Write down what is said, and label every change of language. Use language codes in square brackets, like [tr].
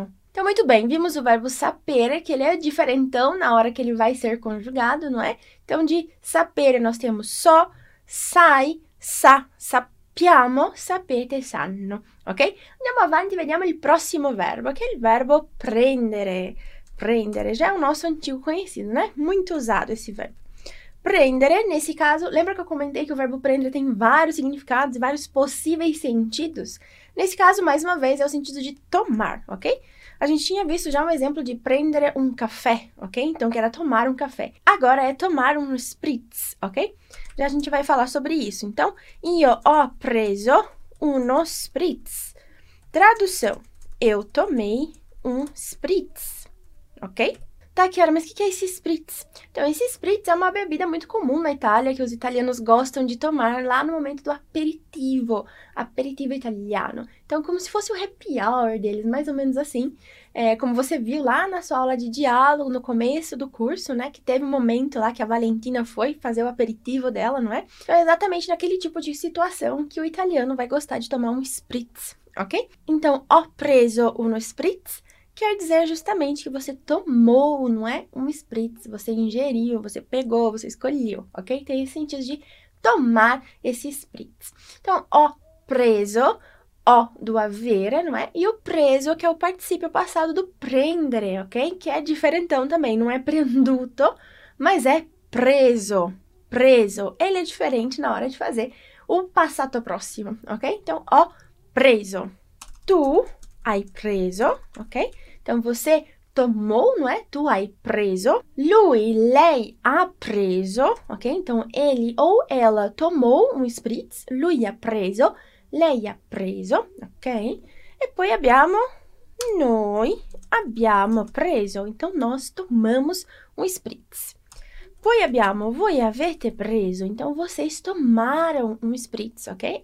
[pt] Então, muito bem, vimos o verbo sapere, que ele é diferentão na hora que ele vai ser conjugado, não é? Então, de sapere nós temos só, sai, sa, sappiamo, sapete, sanno, ok? [it] Andiamo avanti, vediamo il prossimo verbo, che è il verbo prendere. Prendere, già è un nostro antico [pt] conhecido, né? [it] Molto usato esse verbo. [pt] Prendere, nesse caso, lembra que eu comentei que o verbo prendere tem vários significados e vários possíveis sentidos? Nesse caso, mais uma vez, é o sentido de tomar, ok? A gente tinha visto já um exemplo de prendere um café, ok? Então, que era tomar um café. Agora é tomar um spritz, ok? Já a gente vai falar sobre isso. [it] Então, io ho preso uno spritz. [pt] Tradução: eu tomei um spritz, ok? Tá, Chiara, mas o que é esse spritz? Então, esse spritz é uma bebida muito comum na Itália, que os italianos gostam de tomar lá no momento do aperitivo, aperitivo italiano. Então, como se fosse o happy hour deles, mais ou menos assim. É, como você viu lá na sua aula de diálogo, no começo do curso, né? Que teve um momento lá que a Valentina foi fazer o aperitivo dela, não é? Então, é exatamente naquele tipo de situação que o italiano vai gostar de tomar um spritz, ok? [it] Então, ho preso uno spritz. [pt] Quer dizer justamente que você tomou, não é? Um spritz, você ingeriu, você pegou, você escolheu, ok? Tem esse sentido de tomar esse spritz. Então, [it] ho preso, [pt] ho do avere, não é? E o preso, que é o particípio passado do prendere, ok? Que é diferentão também, não é prenduto, mas é preso, preso. Ele é diferente na hora de fazer o passato prossimo, ok? [it] Então, ho preso. Tu hai preso, ok? [pt] Então, você tomou, não é? [it] Tu hai preso. Lui, lei ha preso, ok? [pt] Então, ele ou ela tomou um spritz. [it] Lui ha preso, lei ha preso, ok? E poi abbiamo, noi abbiamo preso. [pt] Então, nós tomamos um spritz. [it] Poi abbiamo, voi avete preso. [pt] Então, vocês tomaram um spritz, ok?